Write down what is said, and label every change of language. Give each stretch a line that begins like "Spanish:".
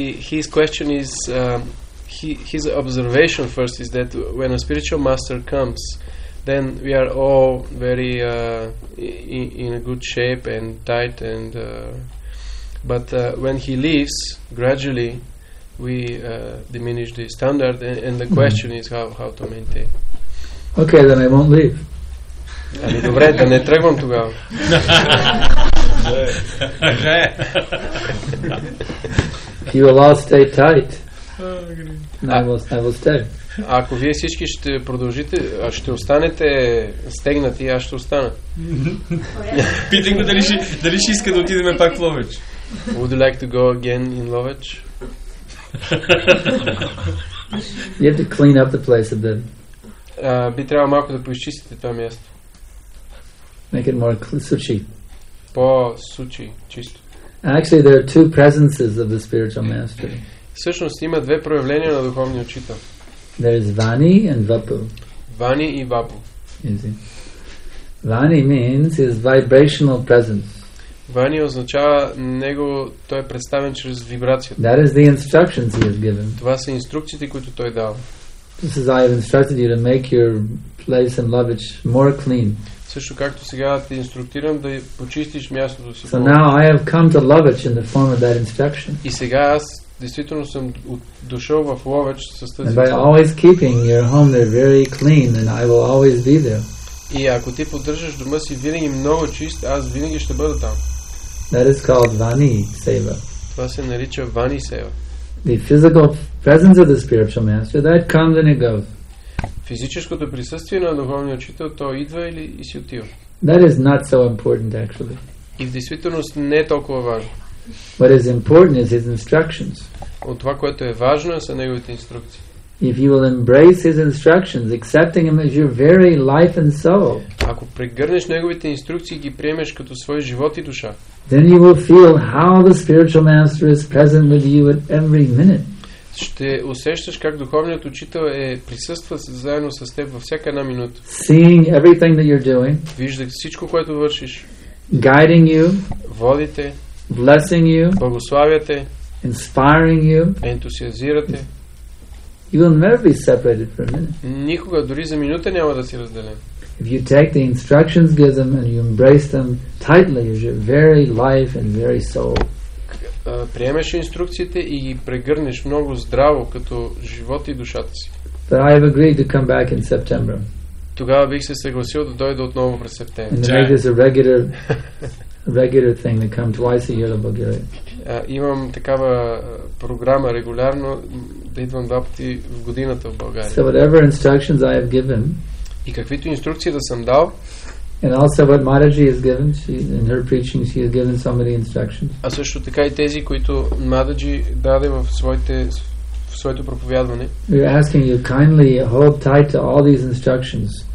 English: His question is his observation first is that when a spiritual master comes, then we are all very in a good shape and tight, and but when he leaves, gradually we diminish the standard, and the question is how to maintain. Okay, then I won't leave.
Bulgarian: Ами добре, да не тръгвам тогава.
English: You will all stay tight. I will stay.
Bulgarian: Ако вие всички ще продължите, ще останете стегнати, аз ще остана. Питам го дали ще иска да отидеме пак в Ловеч.
English: Would you like to go again in Ловеч? You have to clean up the place a bit.
Bulgarian: Би трябвало малко да поизчистите това място.
English: Make it more suchi.
Bulgarian: По-сучи, чисто.
English: Actually, there are two presences of the spiritual master.
Bulgarian: Всъщност има две проявления на духовния учител.
English: There is Vani and Vapu.
Bulgarian: Vani и Vapu.
English: Easy. Vani means his vibrational presence.
Bulgarian: Vani означава него, той е представен чрез вибрацията.
English: That is the instructions he has given.
Bulgarian: Това са инструкциите, които той дава.
English: This is, I have instructed you to make your place in Lovage more clean.
Bulgarian: Също както сега те инструктирам да почистиш мястото си.
English: So now I have come to Lovage in the form of that instruction.
Bulgarian: И сега аз действително съм дошъл в Ловеч с тази инструкция.
English: By always keeping your home there very clean, and I will always be there.
Bulgarian: И ако ти поддържаш дома си винаги много чист, аз винаги ще бъда там.
English: That is called Vani Seva.
Bulgarian: Това се нарича Vani Seva.
English: The physical presence of the spiritual master, that comes and it goes.
Bulgarian: Физическото присъствие на духовния учител, то идва или и си отива.
English: That is not so important actually.
Bulgarian: И в действителност не е толкова важно.
English: What is important is his instructions.
Bulgarian: От това, което е важно, са неговите инструкции.
English: If you will embrace his instructions, accepting him as your very life and soul.
Bulgarian: Ако прегърнеш неговите инструкции и ги приемеш като свой живот и душа.
English: Then you will feel how the spiritual master is present with you at every minute.
Bulgarian: ще усещаш как духовният учител е присъства заедно с теб във всяка една минута.
English: Seeing everything that you're doing.
Bulgarian: Виждаш всичко, което вършиш.
English: Guiding you.
Bulgarian: Водите.
English: Blessing you.
Bulgarian: Благославяте.
English: Inspiring you.
Bulgarian: Ентусиазирате.
English: You will never be separated for a minute.
Bulgarian: Никога, дори за минута няма да си разделен.
English: If you take the instructions given and you embrace them tightly, you're very life and very soul.
Bulgarian: Приемеш инструкциите и ги прегърнеш много здраво като живот и душата си.
English: But I have agreed to come back in September.
Bulgarian: Тогава бих се съгласил да дойда отново през септември.
English: And make this a regular, regular thing to come twice a year to Bulgaria.
Bulgarian: Имам такава програма регулярно да идвам два пъти в годината в България.
English: So whatever instructions I have given.
Bulgarian: И каквито инструкции да съм дал.
English: And also what Mataji has given, in her preaching, she has given so many instructions.
Bulgarian: А също така и тези, които Mataji даде в своите, в своето проповядване.
English: We are asking you kindly, hold tight to all these instructions.